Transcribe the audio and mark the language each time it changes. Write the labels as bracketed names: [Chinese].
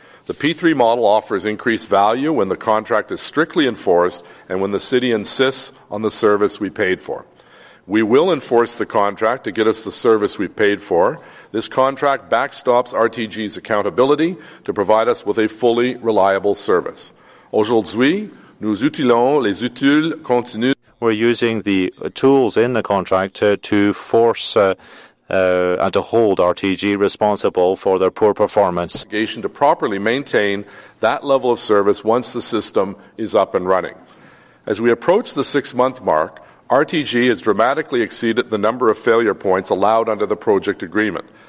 [English] The P3 model offers increased value when the contract is strictly enforced and when the city insists on the service we paid for. We will enforce the contract to get us the service we've paid for. This contract backstops RTG's accountability to provide us with a fully reliable service. [French] Aujourd'hui, nous utilisons les outils continus. [English] We're using the tools in the contract to force and to hold RTG responsible for their poor performance. Obligation to properly maintain that level of service once the system is up and running. As we approach the six-month mark, RTG has dramatically exceeded the number of failure points allowed under the project agreement.